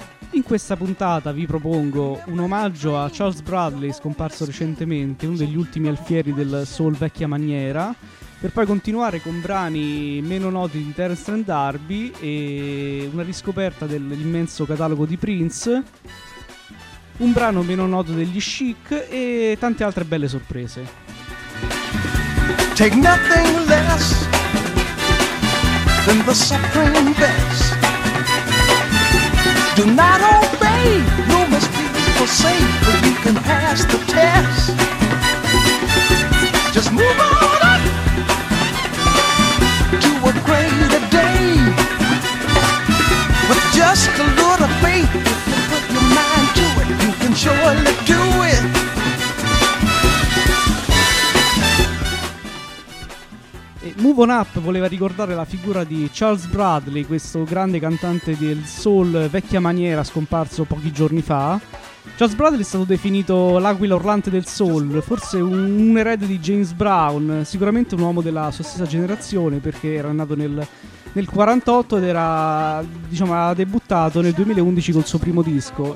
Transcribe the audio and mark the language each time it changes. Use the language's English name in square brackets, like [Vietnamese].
[Italian] In questa puntata vi propongo un omaggio a Charles Bradley, scomparso recentemente, uno degli ultimi alfieri del soul vecchia maniera, per poi continuare con brani meno noti di Terence and Darby e una riscoperta dell'immenso catalogo di Prince, un brano meno noto degli Chic e tante altre belle sorprese. [English] Take nothing less than the suffering best. Do not obey, you must be forsaken, but you can pass the test. Just move on up to a greater day. With just a little faith, if you put your mind to it, you can surely do it. [Italian] Move On Up voleva ricordare la figura di Charles Bradley, questo grande cantante del soul vecchia maniera scomparso pochi giorni fa. Charles Bradley è stato definito l'aquila urlante del soul, forse un erede di James Brown, sicuramente un uomo della sua stessa generazione, perché era nato nel 48 ed era, diciamo, ha debuttato nel 2011 col suo primo disco.